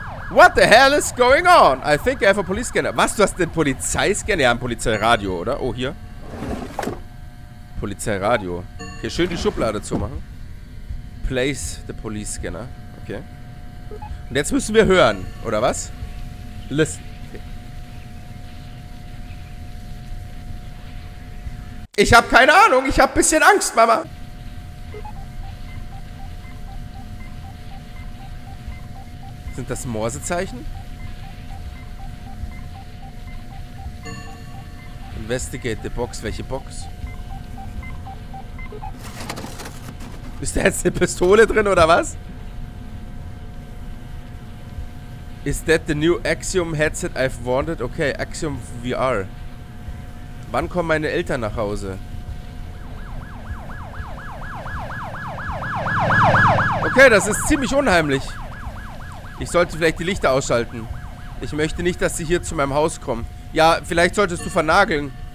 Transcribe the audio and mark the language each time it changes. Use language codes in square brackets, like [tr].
[en] What the hell is going on? I think I have a police scanner. [de] Was, du hast den Polizeiscanner? Ja, ein Polizeiradio, oder? Oh, hier. Polizeiradio. Hier schön die Schublade zumachen. [en] Place the police scanner. [de] Okay. Und jetzt müssen wir hören, oder was? [en] Listen. [de] Okay. Ich habe keine Ahnung. Ich habe ein bisschen Angst, Mama. Sind das Morsezeichen? [en] Investigate the box. [de] Welche Box? Ist da jetzt eine Pistole drin oder was? [en] Is that the new Axiom headset I've wanted? Okay, Axiom VR. [de] Wann kommen meine Eltern nach Hause? Okay, das ist ziemlich unheimlich. Ich sollte vielleicht die Lichter ausschalten. Ich möchte nicht, dass sie hier zu meinem Haus kommen. Ja, vielleicht solltest du vernageln.